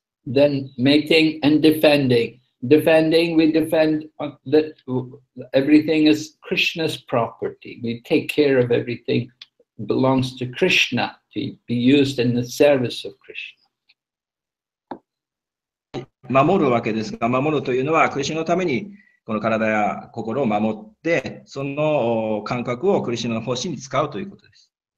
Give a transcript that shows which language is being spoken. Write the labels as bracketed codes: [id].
[en] Then mating and defending. Defending, we defend that everything is Krishna's property. We take care of everything belongs to Krishna. To be used in the service of Krishna. [ja] 守るわけですが、守るというのは、クリシナのために、この体や心を守って、その感覚をクリシナの方針に使うということです。